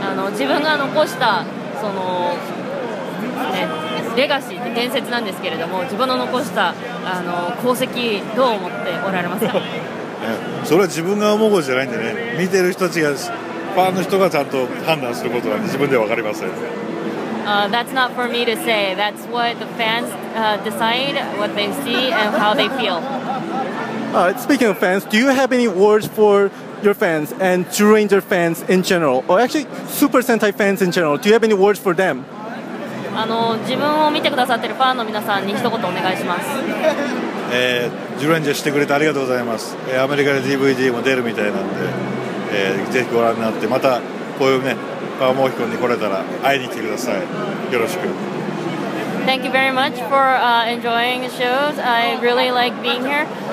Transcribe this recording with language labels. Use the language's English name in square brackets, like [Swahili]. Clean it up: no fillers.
[Japanese] 自分が残したそのね、レガシーって伝説なんですけれども、自分の残した功績どう思っておられますか？それは自分が思うことじゃないんでね、見てる人たちが、ファンの人がちゃんと判断することなんで自分では分かりません。 [English] That's not for me to say. That's what the fans decide, what they see and how they feel. Speaking of fans, do you have any words for your fans and Duranger fans in general? Or actually, Super Sentai fans in general, do you have any words for them? [Japanese] 自分を見てくださってるファンの皆さんに一言お願いします。ジュレンジャーしてくれてありがとうございます。アメリカで DVD も出るみたいなんで、ぜひご覧になって、またこういうね、パワーモヒコンに来れたら会いに来てください。よろしく。 [English] Thank you very much for enjoying the shows. I really like being here.